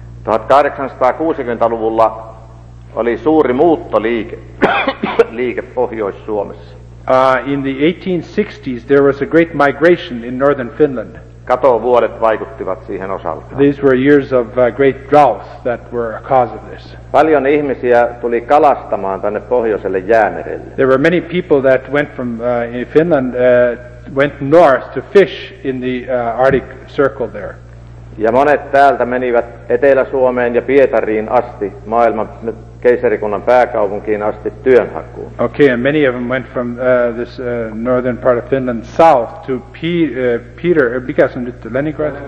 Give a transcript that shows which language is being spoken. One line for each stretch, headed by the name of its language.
Finnish: 1860-luvulla oli suuri muuttoliike Pohjois-Suomessa.
English: In the 1860s there was a great migration in northern Finland.
Finnish: Katovuodet vaikuttivat siihen osaltaan.
English: These were years of great drought that were a cause of this.
Finnish: Paljon ihmisiä tuli kalastamaan tänne pohjoiselle Jäämerelle.
English: There were many people that went from in Finland went north to fish in the Arctic Circle there.
Finnish: Ja monet täältä menivät Etelä-Suomeen ja Pietariin asti, maailman keisarikunnan pääkaupunkiin asti työnhakuun.
English: Okay, and many of them went from this northern part of Finland south to Peter,
Finnish: mikä se on nyt,
English: Leningrad?